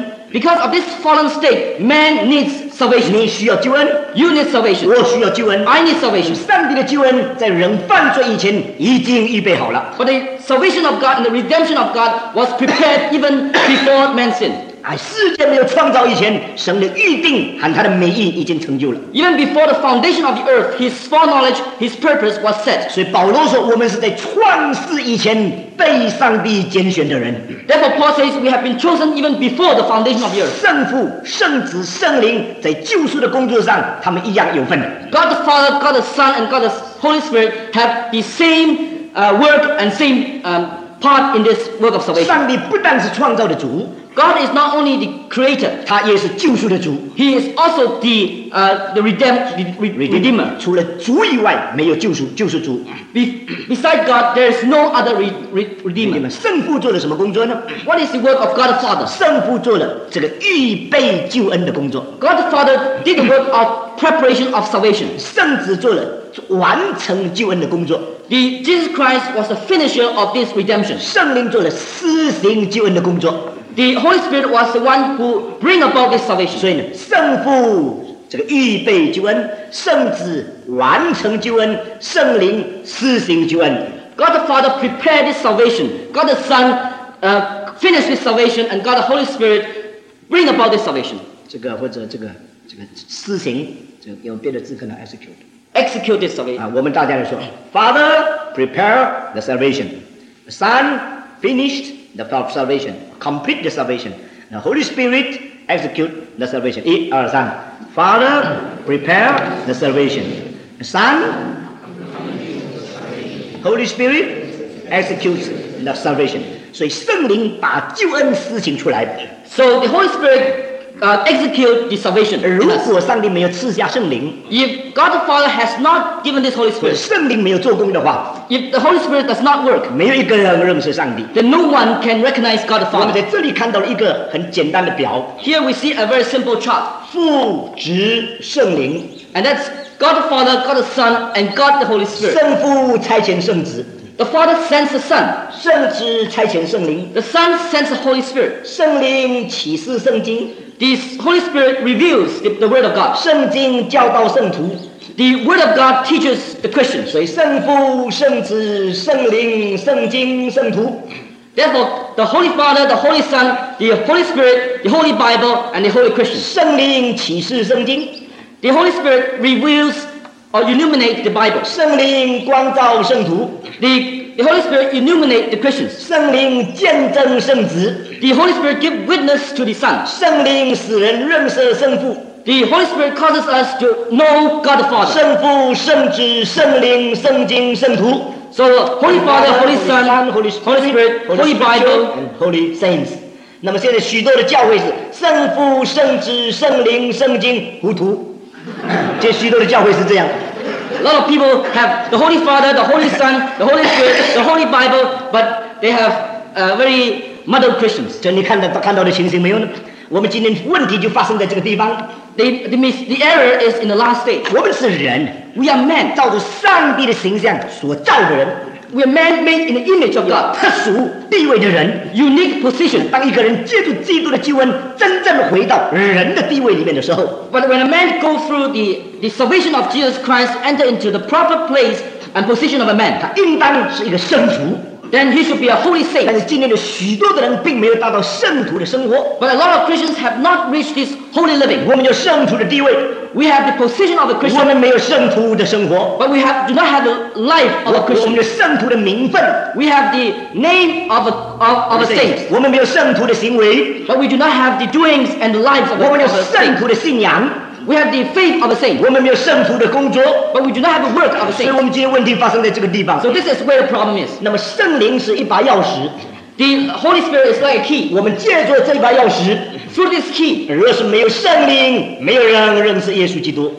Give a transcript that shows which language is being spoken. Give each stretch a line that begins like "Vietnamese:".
English: because of this fallen state, man needs salvation.
Chinese: 你需要救恩,
English: you need salvation.
Chinese: 我需要救恩,
English: I need salvation.
Chinese: 上帝的救恩在人犯罪以前已经预备好了。
English: But the salvation of God and the redemption of God was prepared even before man sinned.
Chinese: 世界没有创造以前，神的预定和他的美意已经成就了。
English: Even before the foundation of the earth, his foreknowledge, his purpose was set.
Chinese: 所以保罗说，我们是在创世以前被上帝拣选的人。
English: Therefore Paul says we have been chosen even before the foundation of the earth.
Chinese: 圣父、圣子、圣灵在救赎的工作上，他们一样有份。
English: God the Father, God the Son, and God the Holy Spirit have the same work and same part in this work of salvation.
Chinese: 上帝不但是创造的主，
English: God is not only the creator，
Chinese: 他也是救赎的主。
English: He is also the redeemer.
Chinese: 除了主以外，没有救赎，就是主。
English: Beside God, there is no other redeemer.
Chinese: 圣父做了什么工作呢？
English: What is the work of God the Father?
Chinese: 圣父做了这个预备救恩的工作。
English: God the Father did the work of preparation of salvation.
Chinese: 圣子做了完成救恩的工作。
English: Jesus Christ was the finisher of this redemption.
Chinese: 圣灵做了施行救恩的工作。
English: The Holy Spirit was the one who bring about this salvation.
Chinese: 所以呢，圣父这个预备救恩，圣子完成救恩，圣灵施行救恩。
English: God the Father prepared this salvation. God the Son finished this salvation, and God the Holy Spirit bring about this salvation.
Chinese: 这个或者这个施行，这个用别的字可能 execute.
English: Execute this salvation.
Chinese: 我们大家来说
English: ，Father prepare the salvation, Son finished the salvation, complete the salvation, the Holy Spirit execute the salvation.
Chinese: 一二三
English: ，Father prepare the salvation, Son, Holy Spirit executes the salvation.
Chinese: 所以圣灵把救恩施行出来。
English: So the Holy Spirit. Execute the salvation.
Chinese: 如果上帝没有赐下圣灵，
English: If God the Father has not given this Holy Spirit,
Chinese: 圣灵没有做工的话，
English: If the Holy Spirit does not work,
Chinese: 没有一个人认识上帝，
English: Then no one can recognize God the Father.
Chinese: 我们在这里看到了一个很简单的表。
English: Here we see a very simple chart.
Chinese: 父、子、圣灵，
English: And that's God the Father, God the Son, and God the Holy Spirit.
Chinese: 圣父差遣圣子。
English: The Father sends the Son.
Chinese: 圣子差遣圣灵。
English: The Son sends the Holy Spirit.
Chinese: 圣灵启示圣经。
English: The Holy Spirit reveals the Word of God.
Chinese: 圣经教导圣徒。
English: The Word of God teaches the Christians.
Chinese: 所以圣父、圣子、圣灵、圣经、圣徒。
English: Therefore, the Holy Father, the Holy Son, the Holy Spirit, the Holy Bible, and the Holy Christians.
Chinese: 圣灵启示圣经。
English: The Holy Spirit reveals or illuminates the Bible.
Chinese: 圣灵光照圣徒。
English: The Holy Spirit illuminates the Christians.
Chinese: 圣灵见证圣子。
English: The Holy Spirit gives witness to the Son.
Chinese: 圣灵使人认识圣父。
English: The Holy Spirit causes us to know God the Father.
Chinese: 圣父、圣子、圣灵、圣经、圣徒。
English: So, Holy Father, Holy Son, Holy Spirit, Holy Bible, and Holy Saints.
Chinese: 那么现在许多的教会是圣父、圣子、圣灵、圣经、糊涂。这许多的教会是这样。
English: A lot of people have the Holy Father, the Holy Son, the Holy Spirit, the Holy Bible, but they have very muddled Christians.
Chinese: 这你看到的情形没有呢？我们今天问题就发生在这个地方。
English: The error is in the last stage.
Chinese: 我们是人。
English: We are men.
Chinese: 照着上帝的形象所造的人。
English: We are man made in the image of God.
Chinese: 特殊地位的人。
English: Unique position.
Chinese: 当一个人借助基督的救恩真正回到人的地位里面的时候。
English: But when a man goes through the salvation of Jesus Christ, enter into the proper place and position of a man,
Chinese: 他应当是一个圣徒。
English: Then he should be a holy saint.
Chinese: 但是今天的许多的人并没有达到圣徒的生活。
English: But a lot of Christians have not reached this holy living.
Chinese: 我们有圣徒的地位。
English: We have the position of a Christian.
Chinese: 我们没有圣徒的生活。
English: But we have, do not have the life of a Christian.
Chinese: 我们有圣徒的名分。
English: We have the name of a saint.
Chinese: 我们没有圣徒的行为。
English: But we do not have the doings and the lives of a saint.
Chinese: 我们有圣徒的信仰。
English: We have the faith of a saint.
Chinese: 我们没有圣徒的工作。
English: But we do not have the work of a saint.
Chinese: 所以我们今天问题发生在这个地方。
English: So this is where the problem is.
Chinese: 那么圣灵是一把钥匙。
English: The Holy Spirit is like a key.
Chinese: 我们借助这把钥匙。
English: Through this key.
Chinese: 若是没有圣灵，没有人认识耶稣基督。